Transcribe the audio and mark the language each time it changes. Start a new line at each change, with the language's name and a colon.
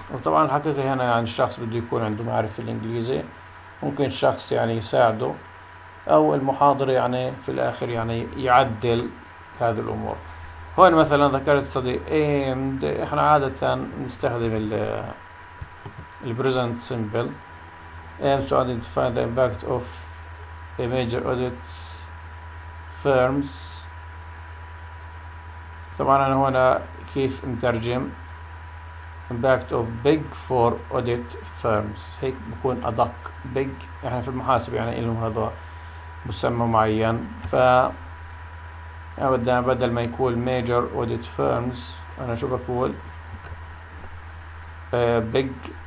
Arabic: وطبعا الحقيقة هنا يعني الشخص بده يكون عنده معرفة في الإنجليزي، ممكن شخص يعني يساعده أو المحاضر يعني في الآخر يعني يعدل هذه الأمور. هون مثلا ذكرت صديق aimed، إحنا عادة نستخدم ال present simple.
English: aim to identify the impact of a major audit firms.
Arabic: طبعا أنا هون كيف مترجم impact of big four audit firms، هيك بكون أدق. big إحنا في المحاسبة يعني إلهم هذا مسمى معين، ف بدل ما يكون major audit firms انا شو بقول big